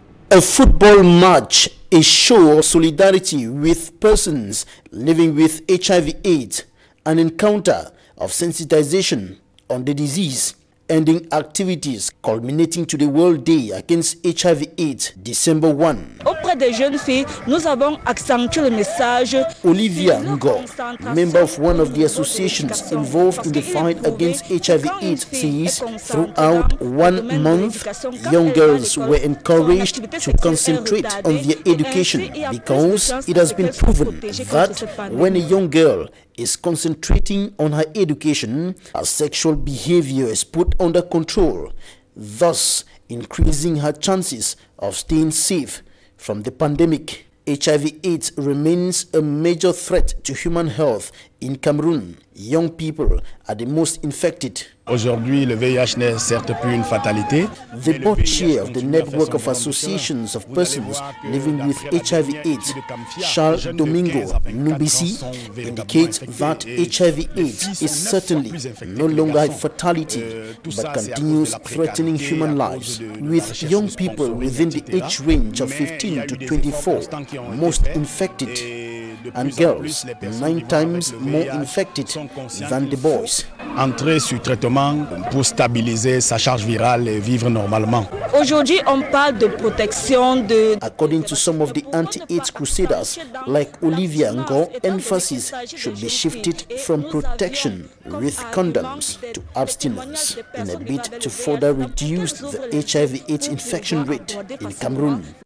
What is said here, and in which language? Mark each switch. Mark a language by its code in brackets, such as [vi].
[en] A football match, a show of solidarity with persons living with HIV/AIDS, an encounter of sensitization on the disease, ending activities culminating to the World Day Against HIV/AIDS, December 1. [fr] Auprès des jeunes filles, nous avons accentué le message. [en] Olivia Ngo, member of one of the associations involved in the fight against HIV/AIDS, says throughout 1 month, young girls were encouraged to concentrate on their education because it has been proven that when a young girl is concentrating on her education, her sexual behavior is put under control, thus increasing her chances of staying safe from the pandemic. HIV/AIDS remains a major threat to human health in Cameroon. Young people are the most infected. [fr] Aujourd'hui, le VIH n'est certes plus une fatalité. [en] The board chair of the network of associations of persons living with HIV/AIDS, Charles Domingo Nubisi, indicates that HIV/AIDS is certainly no longer a fatality, but continues threatening human lives. With young people within the age range of 15 to 24 most infected, and girls 9 times more infected than the boys. [fr] Entrer sur traitement pour stabiliser sa charge virale et vivre normalement. Aujourd'hui, on parle de protection de. [en] According to some of the anti-AIDS crusaders, like Olivia Ngo, emphasis should be shifted from protection with condoms to abstinence in a bid to further reduce the HIV/AIDS infection rate in Cameroon.